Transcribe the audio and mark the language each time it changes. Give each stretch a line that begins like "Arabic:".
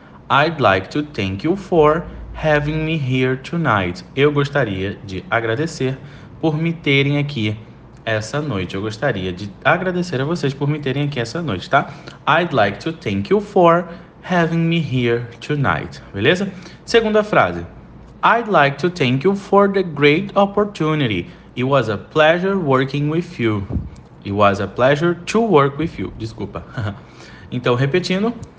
English: I'd like to thank you for having me here tonight.
Portuguese: Eu gostaria de agradecer por me terem aqui essa noite. Eu gostaria de agradecer a vocês por me terem aqui essa noite, tá?
English: I'd like to thank you for having me here tonight.
Portuguese: Beleza? Segunda frase.
English: I'd like to thank you for the great opportunity. It was a pleasure working with you. It was a pleasure to work with you.
Portuguese: Desculpa. Então, repetindo.